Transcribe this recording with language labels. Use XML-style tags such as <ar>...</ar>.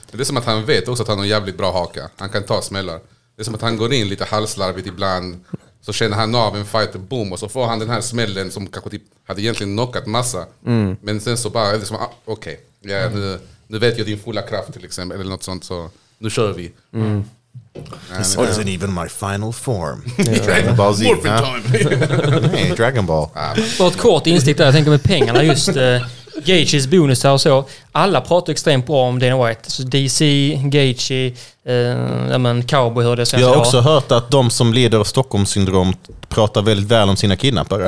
<sv>Det är som att han vet också att han har en jävligt bra haka. Han kan ta smällar. Det är som att han går in lite halslarvigt ibland. Så känner han av en fighter, boom. Och så får han den här smällen som kanske typ hade egentligen knockat massa. Mm. Men sen så bara, okej. Okay. Ja, nu vet jag din fulla kraft till exempel eller något sånt, så nu kör vi.</sv> <en>This wasn't even my final form. Dragon Ball Z. Morphin time.</en> <sv>Nej, Dragon Ball. Bara ett kort instick där, jag tänker med pengarna just Gaethjes bonus här och så. Alla pratar extremt bra om Dana White. Så DC, Gaethje, Cowboy hörde jag senast. Jag har också hört att de som lider av Stockholmssyndrom pratar väldigt väl om sina kidnappare.</sv>